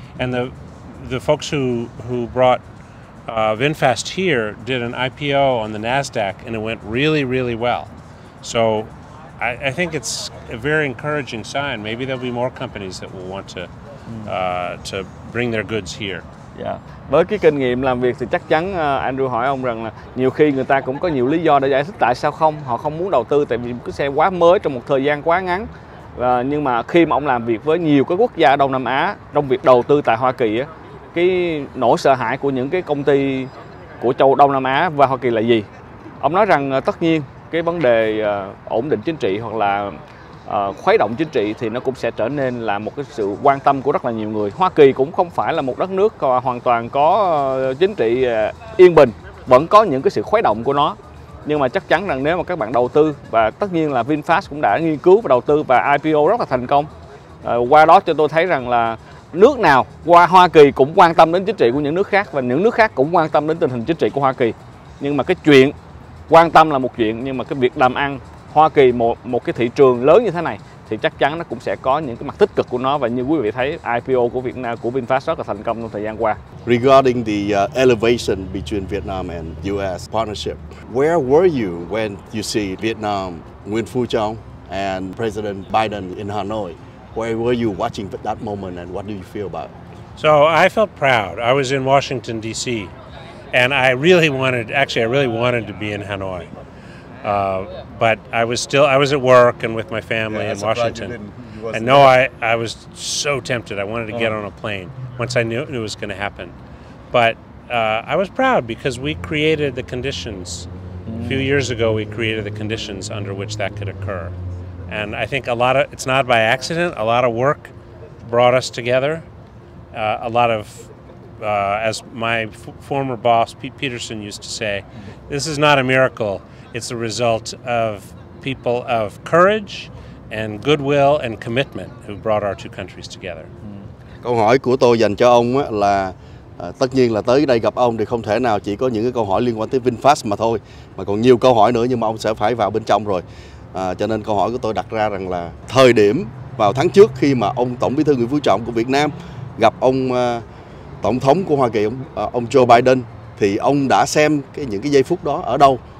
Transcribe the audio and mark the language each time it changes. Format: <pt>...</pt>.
<en>And the folks who brought VinFast here did an IPO on the NASDAQ, and it went really, really well. So I think it's a very encouraging sign. Maybe there'll be more companies that will want to bring their goods here. Yeah.</en> <vi>Với cái kinh nghiệm làm việc thì chắc chắn Andrew hỏi ông rằng là nhiều khi người ta cũng có nhiều lý do để giải thích tại sao không, họ không muốn đầu tư tại vì cái xe quá mới trong một thời gian quá ngắn. Nhưng mà khi mà ông làm việc với nhiều cái quốc gia ở Đông Nam Á trong việc đầu tư tại Hoa Kỳ á, cái nỗi sợ hãi của những cái công ty của châu Đông Nam Á và Hoa Kỳ là gì? Ông nói rằng tất nhiên cái vấn đề ổn định chính trị hoặc là khuấy động chính trị thì nó cũng sẽ trở nên là một cái sự quan tâm của rất là nhiều người. Hoa Kỳ cũng không phải là một đất nước hoàn toàn có chính trị yên bình, vẫn có những cái sự khuấy động của nó. Nhưng mà chắc chắn rằng nếu mà các bạn đầu tư, và tất nhiên là VinFast cũng đã nghiên cứu và đầu tư và IPO rất là thành công. Qua đó cho tôi thấy rằng là nước nào qua Hoa Kỳ cũng quan tâm đến chính trị của những nước khác, và những nước khác cũng quan tâm đến tình hình chính trị của Hoa Kỳ. Nhưng mà cái chuyện quan tâm là một chuyện, nhưng mà cái việc làm ăn Hoa Kỳ một cái thị trường lớn như thế này thì chắc chắn nó cũng sẽ có những cái mặt tích cực của nó. Và như quý vị thấy, IPO của Việt Nam, của VinFast rất là thành công trong thời gian qua.</vi> <en>Regarding the elevation between Vietnam and US partnership, where were you when you see Vietnam Nguyễn Phú Trọng and President Biden in Hanoi? Where were you watching that moment and what do you feel about it? So I felt proud. I was in Washington DC and I really wanted to be in Hanoi. But I was at work and with my family, yeah, in Washington. And there. I was so tempted. I wanted to get on a plane once I knew it was going to happen. But I was proud because we created the conditions. A few years ago, we created the conditions under which that could occur. And I think it's not by accident. A lot of work brought us together. A lot of, as my former boss, Pete Peterson, used to say, this is not a miracle. It's a result of people of courage and goodwill and commitment who brought our two countries together.</en> <vi>Câu hỏi của tôi dành cho ông là, tất nhiên là tới đây gặp ông thì không thể nào chỉ có những cái câu hỏi liên quan tới VinFast mà thôi, mà còn nhiều câu hỏi nữa, nhưng mà ông sẽ phải vào bên trong rồi. Cho nên câu hỏi của tôi đặt ra rằng là thời điểm vào tháng trước khi mà ông Tổng Bí thư Nguyễn Phú Trọng của Việt Nam gặp ông Tổng thống của Hoa Kỳ, ông Joe Biden, thì ông đã xem những cái giây phút đó ở đâu?</vi>